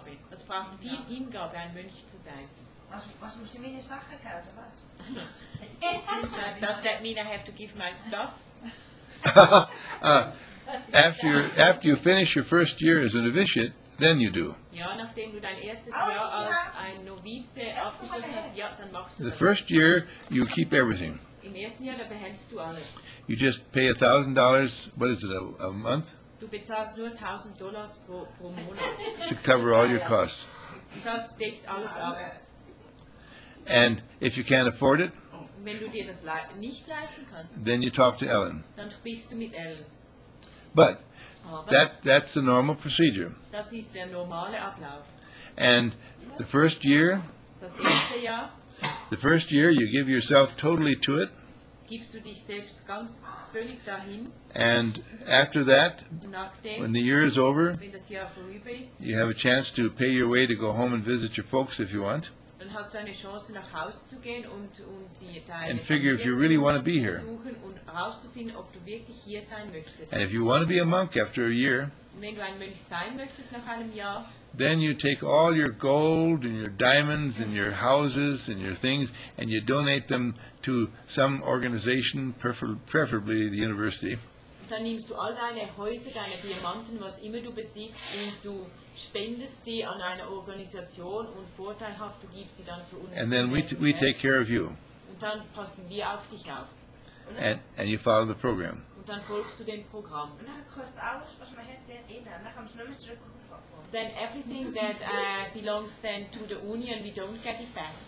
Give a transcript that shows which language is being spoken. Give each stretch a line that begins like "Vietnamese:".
German: das braucht viel Hingabe, ein Mönch zu sein. Was muss ich meine Sachen kaufen?
English: Does that mean I have to give my stuff? after you finish your first year as a novitiate, then you do.
German: Ja, nachdem du dein erstes Jahr als ein Novize abgeschlossen hast, ja, dann machst du.
English: The first year, you keep everything.
German: Im ersten Jahr, da behältst du alles.
English: You just pay $1,000. What is it, a month?
German: Du bezahlst nur $1,000 pro Monat.
English: To cover all your costs.
German: Das deckt alles ab.
English: And if you can't afford it,
German: wenn du dir das nicht leisten kannst,
English: then you talk to Ellen.
German: Dann sprichst du mit Ellen.
English: But that's the normal procedure.
German: Das ist der normale Ablauf.
English: And the first year,
German: das erste Jahr,
English: the first year you give yourself totally to it.
German: Gibst du dich selbst ganz völlig dahin.
English: And after that,
German: nachdem,
English: when the year is over,
German: wenn das Jahr vorüber ist,
English: you have a chance to pay your way to go home and visit your folks if you want.
German: Dann hast du eine Chance, nach Hause zu gehen und deine Familie
English: and figure if you really want to be here.
German: Suchen und rauszufinden, ob du wirklich hier sein möchtest.
English: And if you want to be a monk after a year,
German: wenn du ein Mönch sein möchtest nach einem Jahr,
English: then you take all your gold and your diamonds and your houses and your things and you donate them to some organization, preferably the university.
German: Dann nimmst du all deine Häuser, deine Diamanten, was immer du besitzt, und du spendest die an eine Organisation, und vorteilhaft du gibst sie dann zu uns.
English: And then we take care of you.
German: Und dann passen wir auf dich auf.
English: And you follow the program.
German: Und dann folgst du dem Programm. Und dann kommt alles, was man hätte, dann kommt es nur mit zurück.
English: Then everything that belongs then to the union, we don't get it back.